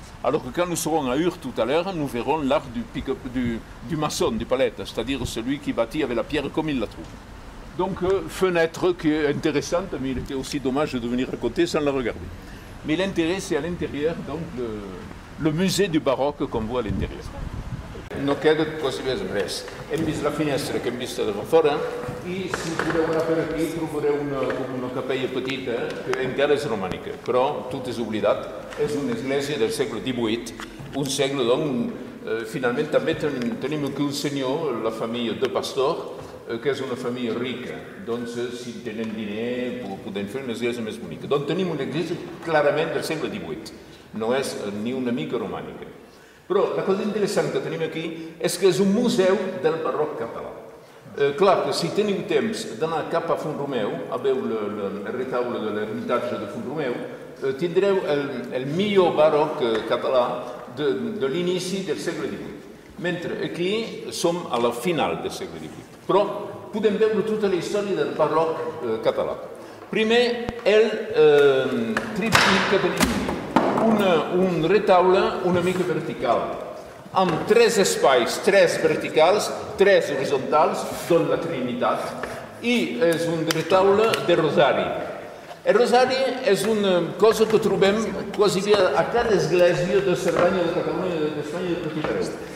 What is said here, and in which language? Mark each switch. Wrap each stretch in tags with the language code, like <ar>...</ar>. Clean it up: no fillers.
<fr>Alors que quand nous serons à Ur tout à l'heure, nous verrons l'art du maçon, du palette, c'est-à-dire celui qui bâtit avec la pierre comme il la trouve. Donc, fenêtre qui est intéressante, mais il était aussi dommage de venir à côté sans la regarder. Mais l'intérêt, c'est à l'intérieur, donc le musée du baroque qu'on voit à l'intérieur.</fr> <ca>No queda possible res. Hem vist la finestra que hem vist de fora i si podeu anar per aquí trobareu una capella petita que encara és romànica, però tot és oblidat. És una església del segle XVIII, un segle on finalment també tenim aquí un senyor, la família de Pastor, que és una família rica. Doncs si tenen diner podem fer una església més bonica. Doncs tenim una església clarament del segle XVIII. No és ni una mica romànica. Però la cosa interessant que tenim aquí és que és un museu del barroc català. Clar que si teniu temps d'anar cap a Font-Romeu, a veure el retaule de l'Ermitatge de Font-Romeu, tindreu el millor barroc català de l'inici del segle XVIII. Mentre aquí som a la final del segle XVIII. Però podem veure tota la història del barroc català. Primer, el tríptic que tenim aquí. Un retaule una mica vertical, amb tres espais, tres verticals, tres horitzontals, d'on la Trinitat, i és un retaule de rosari. El rosari és una cosa que trobem quasi bé a cada església de Cerdanya, de Catalunya, d'Espanya i de tot arreu.</ca>